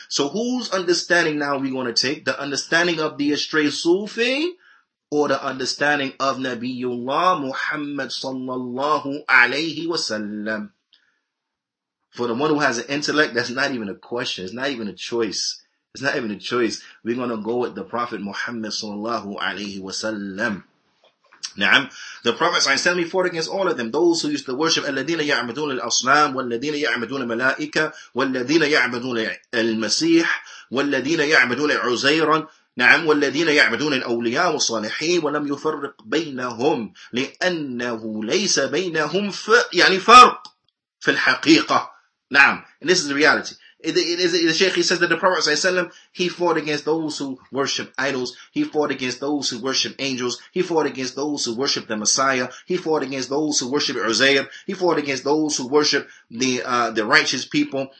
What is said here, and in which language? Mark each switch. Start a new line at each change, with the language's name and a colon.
English: So whose understanding now are we going to take? The understanding of the astray Sufi or the understanding of Nabiullah Muhammad sallallahu alayhi wasallam? For the one who has an intellect, that's not even a question. It's not even a choice. It's not even a choice. We're going to go with the Prophet Muhammad sallallahu alayhi wasallam. Now, the Prophet ﷺ, he fought against all of them. Those who used to worship
Arabic: الَّذِينَ يَعْمَدُونَ الْأَصْنَامِ وَالَّذِينَ يَعْمَدُونَ الْمَلَائِكَ وَالَّذِينَ يَعْمَدُونَ الْمَسِيحِ وَالَّذِينَ يَعْمَدُونَ عُزَيْرًا نعم والذين يعبدون الأولياء والصالحين ولم يفرق بينهم لأنه ليس بينهم يعني فرق في الحقيقة.
English: نعم. And this is the reality. The Shaykh, he says that the Prophet ﷺ, he fought against those who worship idols. He fought against those who worship angels. He fought against those who worship the Messiah. He fought against those who worship Uzair. He fought against those who worship the righteous people.